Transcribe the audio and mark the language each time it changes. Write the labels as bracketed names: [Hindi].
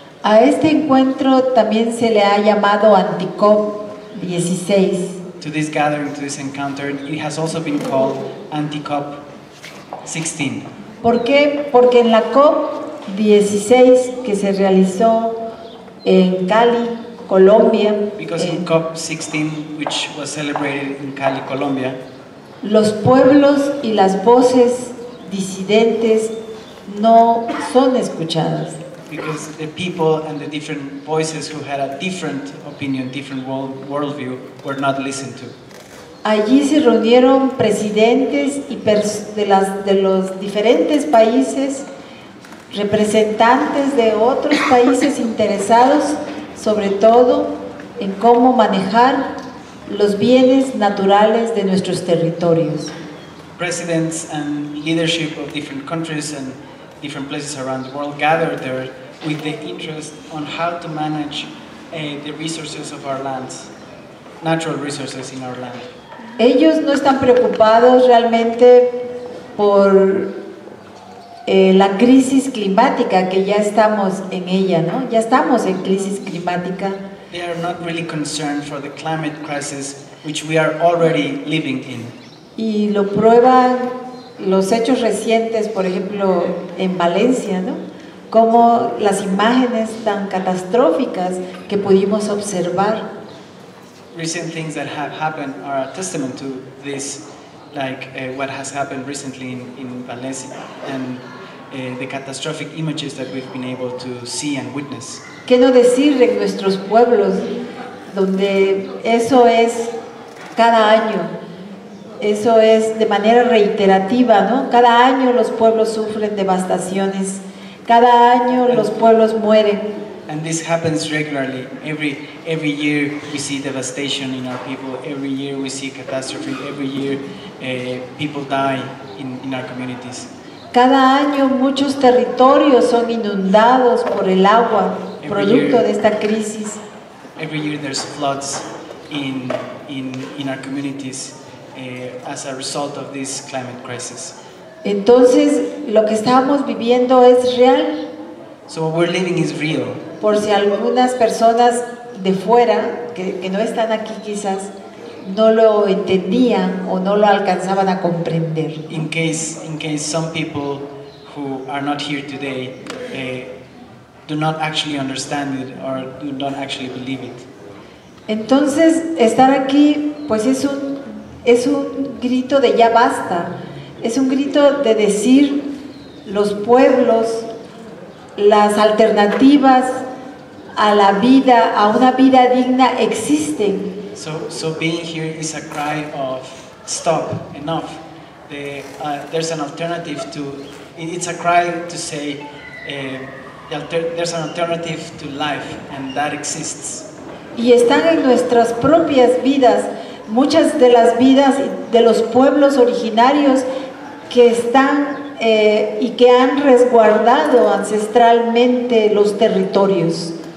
[Spanish] A este encuentro también se le ha llamado Anticop 16. [English] To this gathering, to this encounter, it has also been called Anticop 16. [Spanish] ¿Por qué? Porque en la COP 16 que se realizó en Cali, Colombia. [English] Because in COP 16, which was celebrated in Cali, Colombia. [Spanish] Los pueblos y las voces disidentes no son escuchadas. [English] Because the people and the different voices who had a different opinion, different worldview, were not listened to. [Spanish] Allí se reunieron presidentes y de los diferentes países, representantes de otros países interesados, sobre todo en cómo manejar los bienes naturales de nuestros territorios. [English] Presidents and leadership of different countries and different places around the world gathered there with the interest on how to manage the resources of our lands, natural resources in our land. [Spanish] Ellos no están preocupados realmente por la crisis climática que ya estamos en ella, ¿no? Ya estamos en crisis climática. [English] They are not really concerned for the climate crisis which we are already living in. [Spanish] Y lo prueban los hechos recientes, por ejemplo, en Valencia, ¿no? Como las imágenes tan catastróficas que pudimos observar. [English] Recent things that have happened are a testament to this, like what has happened recently in Valencia and the catastrophic images that we've been able to see and witness. [Spanish] ¿Qué no decir de nuestros pueblos donde eso es cada año? Eso es de manera reiterativa, ¿no? Cada año los pueblos sufren devastaciones. Cada año los pueblos mueren. [English] And this happens regularly. Every year we see devastation in our people. Every year we see catastrophe. Every year people die in our communities. [Spanish] Cada año muchos territorios son inundados por el agua, producto de esta crisis. [English] Every year there's floods in our communities as a result of this climate crisis. [Spanish] Entonces, lo que estamos viviendo es real. [English] So what we're living is real. [Spanish] Por si algunas personas de fuera, que no están aquí quizás, no lo entendían o no lo alcanzaban a comprender. [English] In case some people who are not here today do not actually understand it or do not actually believe it. [Spanish] Entonces, estar aquí, pues es un grito de ya basta. Es un grito de decir los pueblos, las alternativas a la vida, a una vida digna existen. [English] So being here is a cry of stop, enough. There's an alternative to, it's a cry to say there's an alternative to life and that exists. [Spanish] Y están en nuestras propias vidas, muchas de las vidas de los pueblos originarios que están y que han resguardado ancestralmente los territorios.